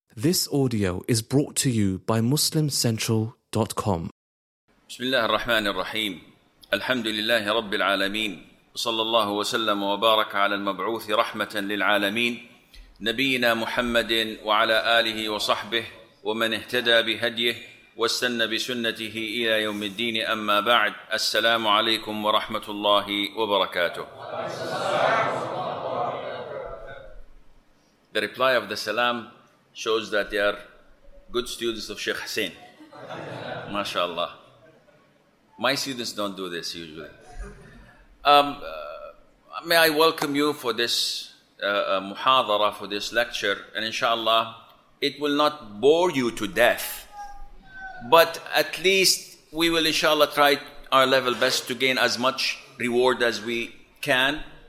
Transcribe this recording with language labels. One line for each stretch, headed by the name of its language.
English: This audio is brought to you by MuslimCentral.com.
Arabic: بسم الله الرحمن الرحيم. الحمد لله رب العالمين، صلى الله وسلم وبارك على المبعوث رحمة للعالمين نبينا محمد وعلى آله وصحبه ومن اهتدى بهديه واستنى بسنته إلى يوم الدين، أما بعد، السلام عليكم ورحمة الله وبركاته.
English: The reply of the salam shows that they are good students of Sheikh Hussain. MashaAllah. My students don't do this usually. May I welcome you for this muhadara, for this lecture, and inshallah, it will not bore you to death, but at least we will inshallah try our level best to gain as much reward as we can.